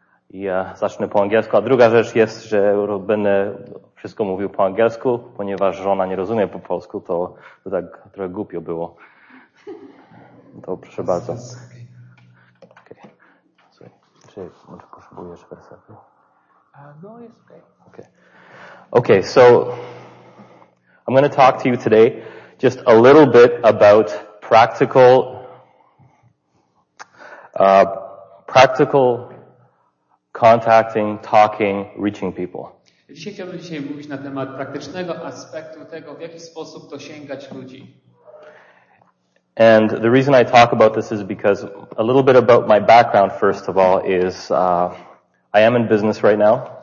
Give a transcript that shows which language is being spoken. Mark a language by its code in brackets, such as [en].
[pl] Ja zacznę po angielsku, a druga rzecz jest, że będę wszystko mówił po angielsku, ponieważ żona nie rozumie po polsku, to by tak trochę głupio było. To proszę bardzo. Okay. Czy może potrzebujesz wersetu? No, jest okej. [en] Okay. Okay, so I'm going to talk to you today just a little bit about practical contacting, talking, reaching people. [pl] Dzisiaj chciałbym dzisiaj mówić na temat praktycznego aspektu tego, w jaki sposób dosięgać ludzi. [en] And the reason I talk about this is because a little bit about my background first of all is I am in business right now.